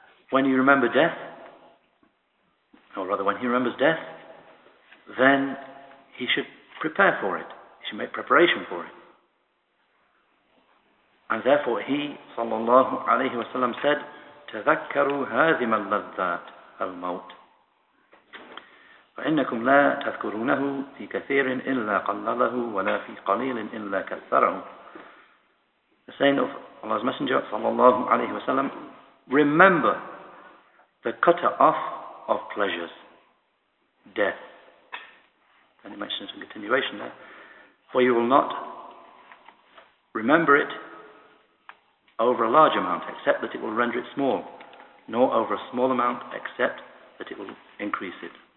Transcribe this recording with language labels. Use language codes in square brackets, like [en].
[en] When you remember death, or rather when he remembers death, then he should prepare for it. He should make preparation for it. And therefore he, sallallahu alayhi wa sallam, said, [ar] تَذَكَّرُوا هَذِمَ اللَّذَّاتِ الْمَوْتِ فَإِنَّكُمْ لَا تَذْكُرُونَهُ فِي كَثِيرٍ إِلَّا قَلَّلَهُ وَلَا فِي قَلِيلٍ إِلَّا كَثَّرَهُ. [en] The saying of Allah's Messenger, sallallahu alayhi wa sallam, remember the cutter off of pleasures, death. And it mentions a continuation there. For you will not remember it over a large amount, except that it will render it small, nor over a small amount, except that it will increase it.